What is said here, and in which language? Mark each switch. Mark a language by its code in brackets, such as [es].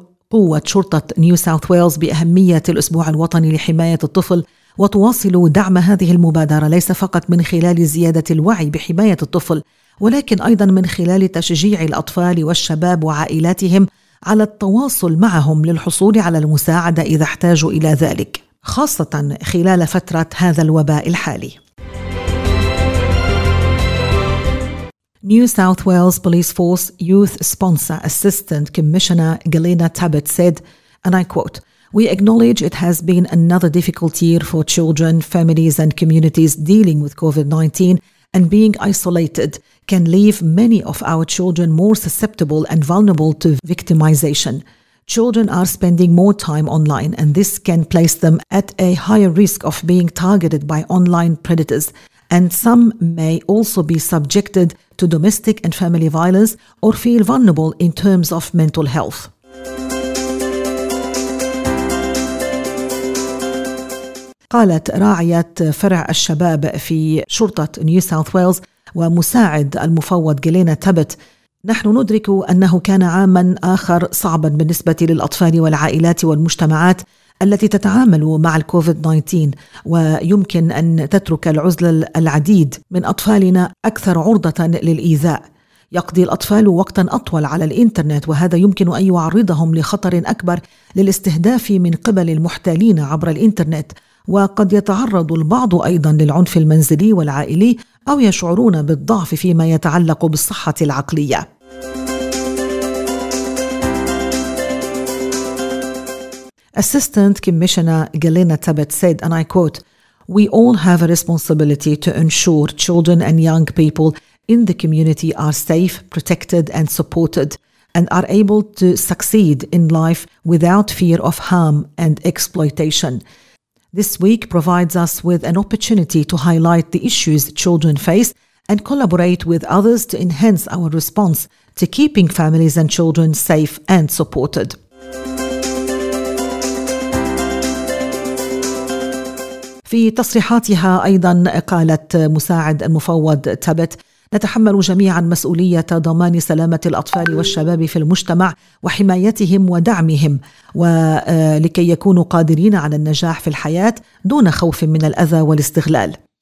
[ar] قوة شرطة نيو ساوث ويلز بأهمية الأسبوع الوطني لحماية الطفل، وتواصل دعم هذه المبادرة ليس فقط من خلال زيادة الوعي بحماية الطفل، ولكن أيضا من خلال تشجيع الأطفال والشباب وعائلاتهم على التواصل معهم للحصول على المساعدة إذا احتاجوا إلى ذلك، خاصة خلال فترة هذا الوباء الحالي. [en] New South Wales Police Force Youth Sponsor Assistant Commissioner Galena Tabbett said, and I quote, "We acknowledge it has been another difficult year for children, families and communities dealing with COVID-19, and being isolated can leave many of our children more susceptible and vulnerable to victimization. Children are spending more time online, and this can place them at a higher risk of being targeted by online predators. And some may also be subjected to domestic and family violence or feel vulnerable in terms of mental health." [ar] قالت راعية فرع الشباب في شرطة نيو ساوث ويلز ومساعد المفوض جيلينا تابت، "نحن ندرك أنه كان عاما آخر صعبا بالنسبة للأطفال والعائلات والمجتمعات التي تتعامل مع الكوفيد-19، ويمكن أن تترك العزل العديد من أطفالنا أكثر عرضة للإيذاء. يقضي الأطفال وقتا أطول على الإنترنت، وهذا يمكن أن يعرضهم لخطر أكبر للاستهداف من قبل المحتالين عبر الإنترنت، وقد يتعرض البعض أيضا للعنف المنزلي والعائلي أو يشعرون بالضعف فيما يتعلق بالصحة العقلية." [en] Assistant Commissioner Galena Tabbett said, and I quote, "We all have a responsibility to ensure children and young people in the community are safe, protected and supported and are able to succeed in life without fear of harm and exploitation. This week provides us with an opportunity to highlight the issues children face and collaborate with others to enhance our response to keeping families and children safe and supported." [ar] في تصريحاتها أيضا قالت مساعد المفوض تابت، "نتحمل جميعا مسؤولية ضمان سلامة الأطفال والشباب في المجتمع وحمايتهم ودعمهم، ولكي يكونوا قادرين على النجاح في الحياة دون خوف من الأذى والاستغلال.